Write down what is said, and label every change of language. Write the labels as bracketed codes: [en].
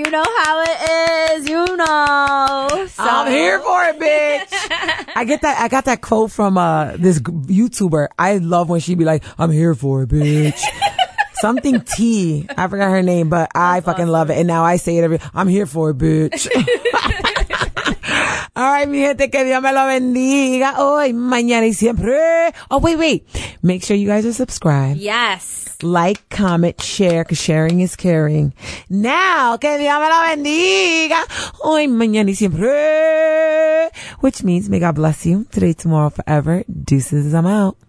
[en] You know how it is. You know, so. I'm here for it, bitch. I get that. I got that quote from this YouTuber. I love when she be like, "I'm here for it, bitch." Something T. I forgot her name, but I fucking love it. And now I say it every. I'm here for it, bitch. right, [es] mi gente, que Dios me lo bendiga hoy, mañana y siempre. [en] Oh, wait, wait. Make sure you guys are subscribed. Yes. Like, comment, share, because sharing is caring. Now, [es] que Dios me lo bendiga hoy, mañana y siempre. [en] Which means, may God bless you today, tomorrow, forever. Deuces, I'm out.